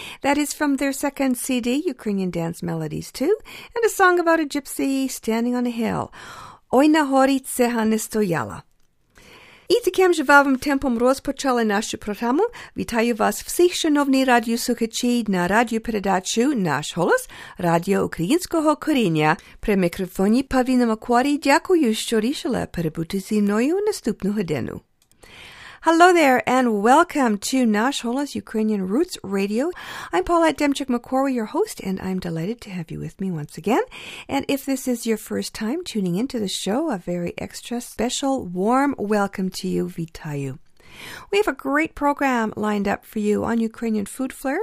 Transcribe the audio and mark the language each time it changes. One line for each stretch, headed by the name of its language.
English: That is from their second CD, Ukrainian Dance Melodies 2, and a song about a gypsy standing on a hill.
Ukrainian: Ой на горі цигани стояла. І таким живим темпом розпочали нашу програму. Вітаю вас всіх, шановні радіослухачі, на радіопередачу «Наш голос» Радіо Українського коріння. При мікрофоні Павіна Макварі дякую, що рішили перебути зі мною наступну годину.
English: Hello there and welcome to «Наш голос» Ukrainian Roots Radio. I'm Paulette Demchuk-McCorry, your host, and I'm delighted to have you with me once again. And if this is your first time tuning into the show, a very extra special warm welcome to you, Vitayu. We have a great program lined up for you on Ukrainian Food Flair.